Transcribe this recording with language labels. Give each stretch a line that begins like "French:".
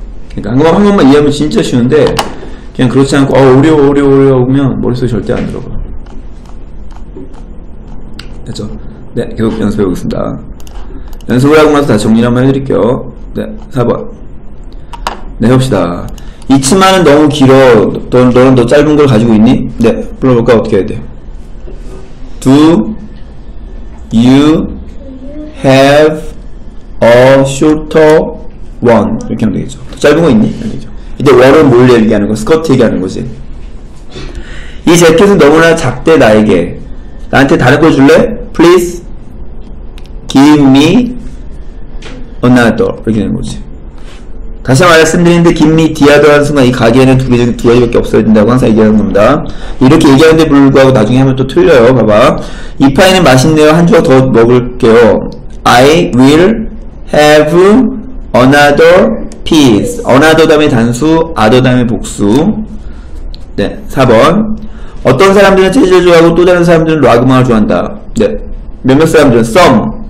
Korean: 그니까, 한 번만 이해하면 진짜 쉬운데, 그냥 그렇지 않고, 어려워 하면 머릿속에 절대 안 들어가. 됐죠? 네, 계속 연습해 보겠습니다. 연습을 하고 나서 다 정리 한번 해드릴게요. 네, 4번. 네, 해봅시다. 이 치마는 너무 길어. 너는 더 짧은 걸 가지고 있니? 네, 불러볼까? 어떻게 해야 돼?
English: Do you have a shorter one?
Korean: 이렇게 하면 되겠죠. 더 짧은 거 있니? 이제 one은 뭘 얘기하는 거? 스커트 얘기하는 거지. 이 재킷은 너무나 작대, 나에게. 나한테 다른 걸 줄래?
English: Please give me another.
Korean: 이렇게 되는 거지. 다시 말씀드리는데,
English: give me the other
Korean: 하는 순간 이 가게에는 두 개 중 두 가지밖에 없어야 된다고 항상 얘기하는 겁니다. 이렇게 얘기하는데 불구하고 나중에 하면 또 틀려요. 봐봐. 이 파이는 맛있네요. 한 조각 더 먹을게요.
English: I will have another piece.
Korean: another 다음에 단수, other 다음에 복수. 네, 4번. 어떤 사람들은 체즈를 좋아하고 또 다른 사람들은 락음악을 좋아한다. 네. 몇몇 사람들은 some.